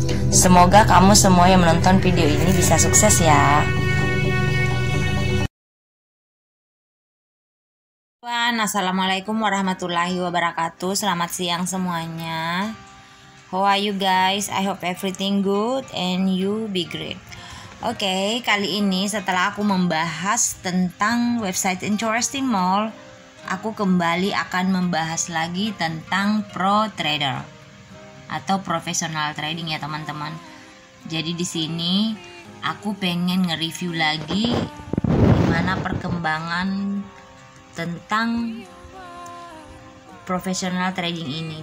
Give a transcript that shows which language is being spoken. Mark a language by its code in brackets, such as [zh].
[id] Semoga kamu semua yang menonton video ini bisa sukses ya. Assalamualaikum warahmatullahi wabarakatuh. Selamat siang semuanya. [en] How are you guys? I hope everything good and you be great. [id] Okay, kali ini setelah aku membahas tentang website Interesting Mall, aku kembali akan membahas lagi tentang pro trader atau professional trading ya teman-teman. Jadi di sini aku pengen nge-review lagi gimana perkembangan tentang professional trading ini.